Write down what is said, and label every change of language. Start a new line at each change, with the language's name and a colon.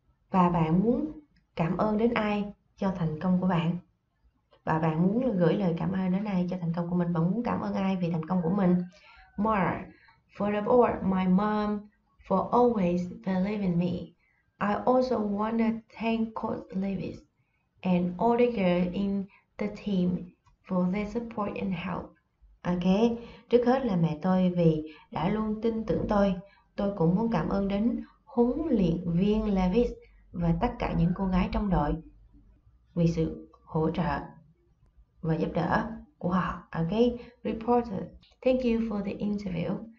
Vietnamese: Và bạn muốn cảm ơn đến ai cho thành công của bạn? Và bạn muốn gửi lời cảm ơn đến ai cho thành công của mình? Bạn muốn cảm ơn ai vì thành công của mình?
English: Mara, for the board, my mom for always believing me. I also want to thank Coach Lewis and all the girls in the team for their support and help.
Vietnamese: Okay, trước hết là mẹ tôi vì đã luôn tin tưởng tôi. Tôi cũng muốn cảm ơn đến huấn luyện viên Lewis và tất cả những cô gái trong đội vì sự hỗ trợ và giúp đỡ của họ.
English: Okay, reporter, thank you for the interview.